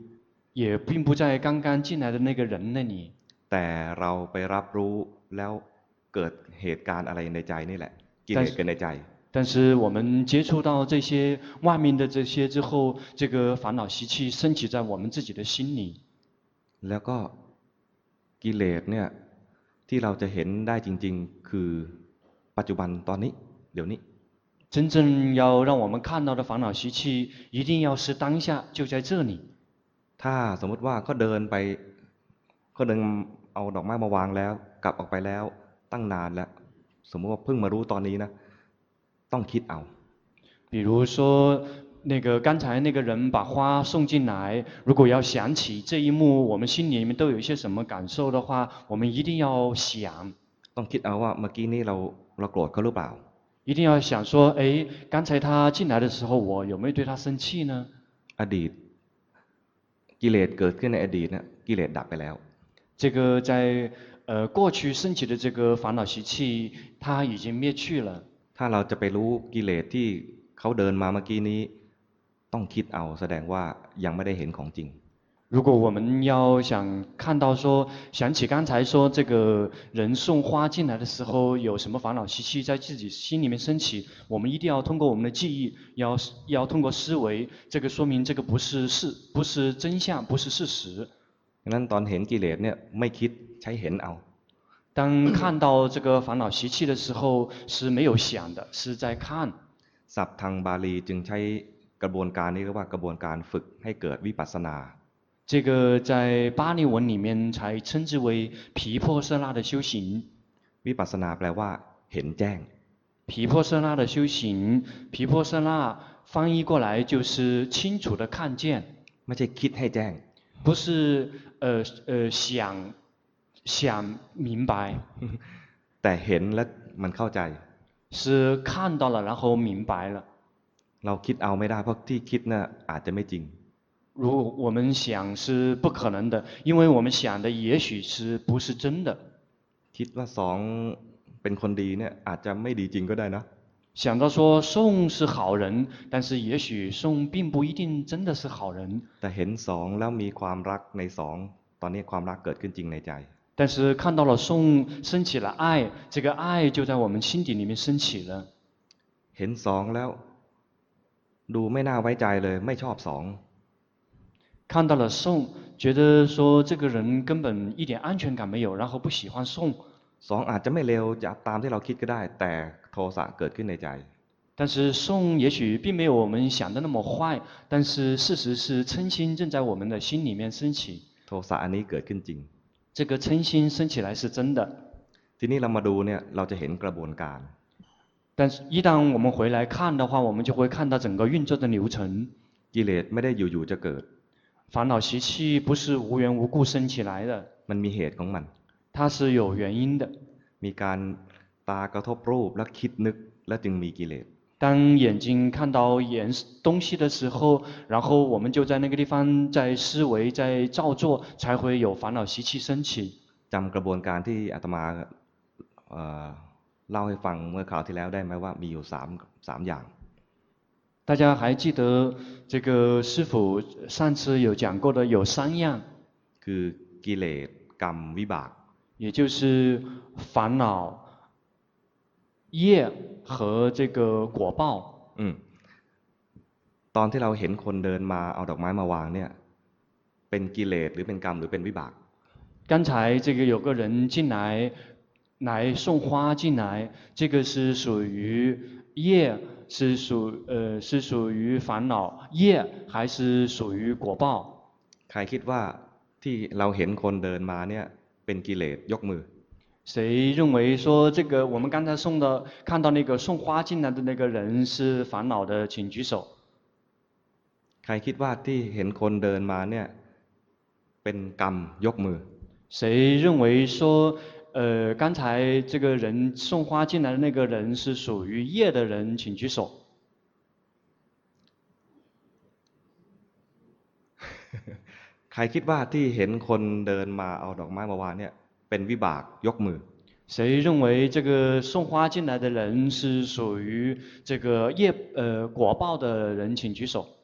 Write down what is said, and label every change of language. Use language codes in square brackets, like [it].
[zh] 也并不在刚刚进来的那个人那里 [th] แต่เราไปรับรู้แล้วเกิดเหตุการณ์อะไรในใจนี่แหละกิเลสเกิดในใจ [zh] 但是我们接触到这些外面的这些之后这个烦恼习气升起在我们自己的心里 [th] แล้วก็กิเลสเนี่ยที่เราจะเห็นได้จริงๆคือปัจจุบันตอนนี้เดี๋ยวนี้ [zh] 真正要让我们看到的烦恼习气一定要是当下就在这里 [th] ถ้าสมมติว่าเขาเดินไปเขาเดินเอาดอกไม้มาวางแล้วกลับออกไปแล้วตั้งนานแล้วสมมติว่าเพิ่งมารู้ตอนนี้นะต้องคิดเอา [zh] 比如说那个刚才那个人把花送进来如果要想起这一幕我们心里面都有一些什么感受的话我们一定要想 [th] ต้องคิดเอาว่าเมื่อกี้นี้เราโกรธเขาหรือเปล่า [zh] 一定要想说哎刚才他进来的时候我有没有对他生气呢 [th] อดีตกิเลสเกิดขึ้นในอดีตนะกิเลสดับไปแล้ว [zh] 这个在过去升起的这个烦恼习气它已经灭去了 [th] ถ้าเราจะไปรู้กิเลสที่เขาเดินมาเมื่อกี้นี้ต้องคิดเอาแสดงว่ายังไม่ได้เห็นของจริง [zh] 如果我们要想看到说想起刚才说这个人送花进来的时候有什么烦恼习气在自己心里面升起我们一定要通过我们的记忆要通过思维这个说明这个不是真相不是事实 [th] นั้นตอนเห็นกิเลสเนี่ยไม่คิดใช้เห็นเอา [zh] 当看到这个烦恼习气的时候是没有想的是在看 [th] ศัพท์ทางบาลีจึงใช้กระบวนการนี้เรียกว่ากระบวนการฝึกให้เกิดวิปัสสนา [zh] 这个在巴利文里面才称之为毗婆舍那的修行 [th] วิปัสสนาแปลว่าเห็นแจ้ง [zh] 毗婆舍那的修行毗婆舍那翻译过来就是清楚的看见 [th] ไม่ใช่คิดให้แจ้ง [zh] 不是想明白 [th] แต่เห็นแล้วมันเข้าใจ [zh] 是看到了然后明白了 [th] เราคิดเอาไม่ได้เพราะที่คิดน่ะอาจจะไม่จริง [zh] 如果我们想是不可能的因为我们想的也许是不是真的 [th] คิดว่าสองเป็นคนดีเนี่ยอาจจะไม่ดีจริงก็ได้นะ [zh] 想到说宋是好人但是也许宋并不一定真的是好人 [th] แต่เห็นสองแล้วมีความรักในสองตอนนี้ความรักเกิดขึ้นจริงในใจ [zh] 但是看到了宋升起了爱这个爱就在我们心底里面升起了 [th] เห็นสองแล้วดูไม่น่าไว้ใจเลยไม่ชอบสอง [zh] 看到了送觉得说这个人根本一点安全感没有然后不喜欢送 [th] สองอาจจะไม่เร็วจะตามที่เราคิดก็ได้แต่โทสะเกิดขึ้นในใจ [zh] 但是送也许并没有我们想的那么坏但是事实是嗔心正在我们的心里面升起 [th] โทสะอันนี้เกิดขึ้นจริง [zh] 这个嗔心升起来是真的 [th] ทีนี้เรามาดูเนี่ยเราจะเห็นกระบวนการ [zh] 但是一旦我们回来看的话我们就会看到整个运作的流程 [th] กิเลสไม่ได้อยู่ๆจะเกิด [zh] 烦恼习气不是无缘无故升起来的 [th] มันมีเหตุของมัน [zh] 它是有原因的 [th] มีการตากระทบรูปแล้วคิดนึกแล้วจึงมีกิเลส [zh] 当眼睛看到眼东西的时候然后我们就在那个地方在思维在造作才会有烦恼习气升起 [th] จำกระบวนการที่อาตมาเล่าให้ฟังเมื่อคราวที่แล้วได้ไหมว่ามีอยู่สามอย่าง [zh] 大家还记得这个师父上次有讲过的有三样 [th] คือกิเลสกรรมวิบาก [zh] 也就是烦恼业和这个果报 [th] ตอนที่เราเห็นคนเดินมาเอาดอกไม้มาวางเนี่ยเป็นกิเลสหรือเป็นกรรมหรือเป็นวิบาก [zh] 刚才这个有个人进来送花进来这个是属于业是属于烦恼业还是属于果报 [th] ใครคิดว่าที่เราเห็นคนเดินมาเนี่ยเป็นกิเลสยกมือ [zh] 谁认为说这个我们刚才送的看到那个送花进来的那个人是烦恼的请举手 [th] ใครคิดว่าที่เห็นคนเดินมาเนี่ยเป็นกรรมยกมือ [zh] 谁认为说刚才这个人送花进来的那个人是属于业的人请举手 [th] ใครคิดว่าที่เห็นคนเดินมาเอาดอกไม้มาวางเนี่ยเป็นวิบากยกมือ [zh] 谁认为这个送花进来的人是属于这个业果报的人请举手